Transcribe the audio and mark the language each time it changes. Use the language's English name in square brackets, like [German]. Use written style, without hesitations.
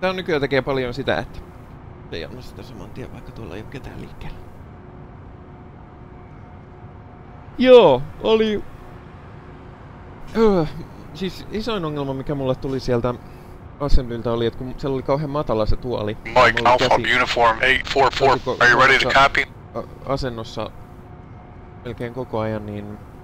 [Finnish] Tää on nykyään tekee paljon sitä, että ei anna sitä saman tien, vaikka tuolla ei ole ketään liikkeellä. Joo, oli... siis isoin ongelma, mikä mulle tuli sieltä assemblyltä oli, että kun siellä oli kauhean matala se tuoli. [English] Mike Alpha Uniform 844, are you ready to copy? [Finnish] Asennossa melkein koko ajan, niin...